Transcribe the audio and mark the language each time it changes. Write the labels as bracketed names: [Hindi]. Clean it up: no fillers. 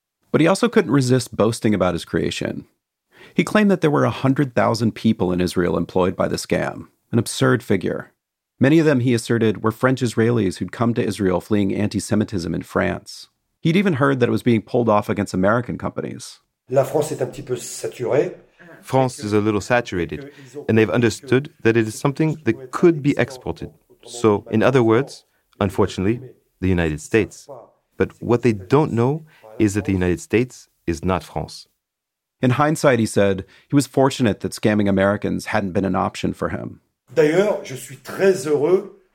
[English] But he also couldn't resist boasting about his creation. He claimed that there were 100,000 people in Israel employed by the scam, an absurd figure. Many of them, he asserted, were French Israelis who'd come to Israel fleeing anti-Semitism in France. He'd even heard that it was being pulled off against American companies. [French] La France est un petit peu saturée. [English] France is a little saturated, and they've understood that it is something that could be exported. So, in other words, unfortunately, the United States. But what they don't know is that the United States is not France. In hindsight, he said, he was fortunate that scamming Americans hadn't been an option for him. [French] D'ailleurs, je suis très heureux.